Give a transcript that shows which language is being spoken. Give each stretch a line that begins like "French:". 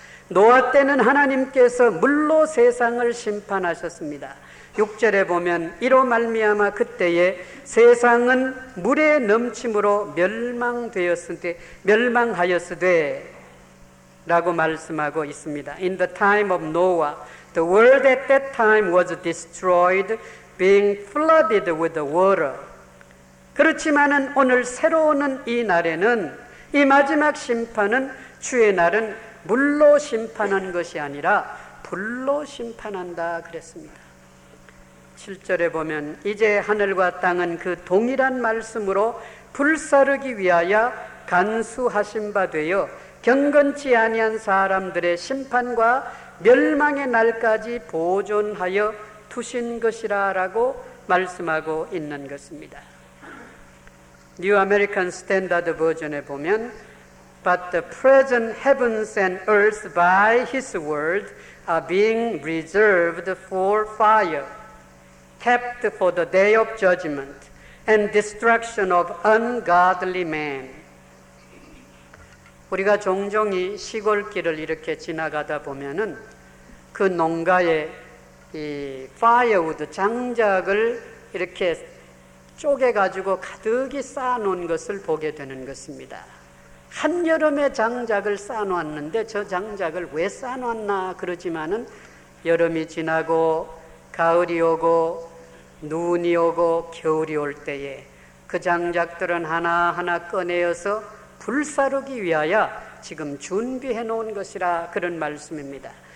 Korean: 노아 때는 하나님께서 물로 세상을 심판하셨습니다. 6절에 보면 이로 말미암아 그때에 세상은 물에 넘침으로 멸망하였으되 라고 말씀하고 있습니다.
English: In the time of Noah, the world at that time was destroyed, being flooded with the water.
Korean: 그렇지만은 오늘 새로 오는 이 날에는 이 마지막 심판은 주의 날은 물로 심판한 것이 아니라 불로 심판한다 그랬습니다. 7절에 보면 이제 하늘과 땅은 그 동일한 말씀으로 불사르기 위하여 간수하신 바 되어 경건치 아니한 사람들의 심판과 멸망의 날까지 보존하여 두신 것이라 라고 말씀하고 있는 것입니다.
English: New American Standard Version
Korean: 에 보면
English: But the present heavens and earth by his word are being reserved for fire, kept for the day of judgment and destruction of ungodly men.
Korean: 우리가 종종 이 시골길을 이렇게 지나가다 보면은 그 농가에 이 firewood 장작을 이렇게 쪼개가지고 가득이 쌓아놓은 것을 보게 되는 것입니다. 한여름에 장작을 쌓아놓았는데 저 장작을 왜 쌓아놨나 그러지만은 여름이 지나고 가을이 오고 눈이 오고 겨울이 올 때에 그 장작들은 하나하나 꺼내어서 불사르기 위하여 지금 준비해 놓은 것이라 그런 말씀입니다.